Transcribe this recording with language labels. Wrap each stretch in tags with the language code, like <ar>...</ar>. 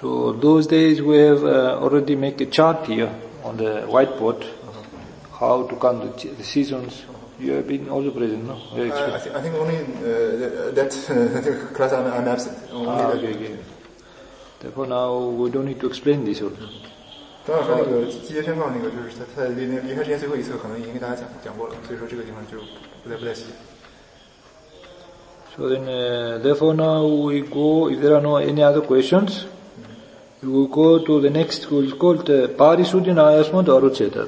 <en>So those days we have already make a chart here on the whiteboard, uh-huh. How to count the seasons. You have been also present, no? I think only that class I'm absent. Therefore now we don't need to explain this.</en> <zh>张老师那个季节宣放那个，就是他离开之前最后一次可能已经跟大家讲过了，所以说这个地方就不太细。</zh> <en>So then, therefore now we go, if there are no any other questions, we will go to the next, who is called Parisuddhi Nayasmad Arucheta.</en>